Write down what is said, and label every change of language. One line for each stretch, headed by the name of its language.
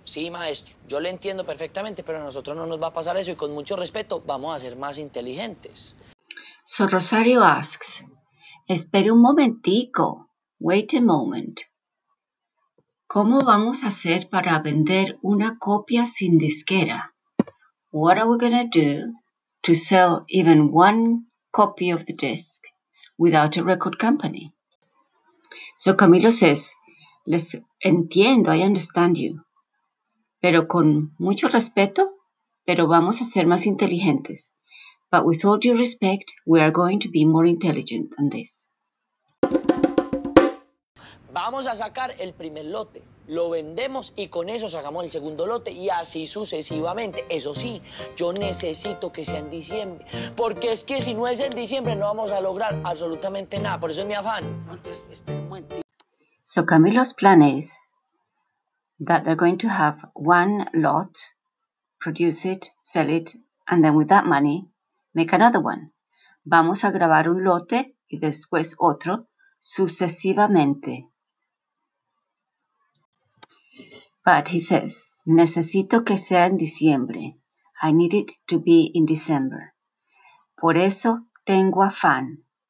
Spanish: Sí, maestro, yo le entiendo perfectamente, pero a nosotros no nos va a pasar eso y con mucho respeto vamos a ser más inteligentes.
English: So Rosario asks,
Spanish: espere un momentico,
English: wait a moment.
Spanish: ¿Cómo vamos a hacer para vender una copia sin disquera?
English: What are we going to do to sell even one copy of the disc without a record company? So Camilo says,
Spanish: les entiendo,
English: I understand you.
Spanish: Pero con mucho respeto, pero vamos a ser más inteligentes.
English: But with all due respect, we are going to be more intelligent than this.
Spanish: Vamos a sacar el primer lote. Lo vendemos y con eso sacamos el segundo lote y así sucesivamente. Eso sí, yo necesito que sea en diciembre. Porque es que si no es en diciembre no vamos a lograr absolutamente nada. Por eso es mi afán.
English: So Camilo's plan is that they're going to have one lot, produce it, sell it, and then with that money, make another one.
Spanish: Vamos a grabar un lote y después otro sucesivamente.
English: But he says,
Spanish: necesito que sea en diciembre.
English: I need it to be in December.
Spanish: Por eso tengo afán.